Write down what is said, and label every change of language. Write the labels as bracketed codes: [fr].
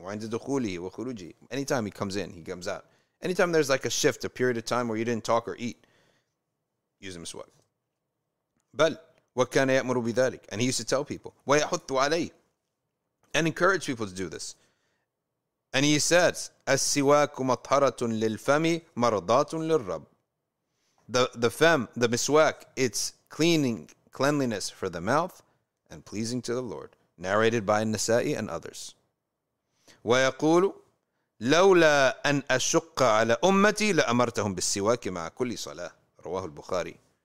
[ar] وَعِنْدَ دُخُولِهِ وَخُرُوجِهِ, [en] anytime he comes in, he comes out. Anytime there's like a shift, a period of time where you didn't talk or eat, use him as what? [ar] بَلْ وَكَانَ يَأْمُرُ بِذَلِكَ, [en] and he used to tell people. [ar] وَيَحُثُّ عَلَيْهِ, [en] and encourage people to do this. And he says, [ar] أَسْسِوَاكُ مَطْحَرَةٌ لِلْفَمِ مَرْضَاتٌ لِلْرَبْ. [en] The fem, the miswak, it's cleaning cleanliness for the mouth and pleasing to the Lord. Narrated by Nasa'i and others. [ar] وَيَقُولُ لَوْلَا أَنْ أَشُقَّ عَلَى أُمَّتِي لَأَمَرْتَهُمْ بِالسِّوَاكِ مَعَ كُلِّ صَلَاةِ. رَوَاهُ الْبُخَارِي.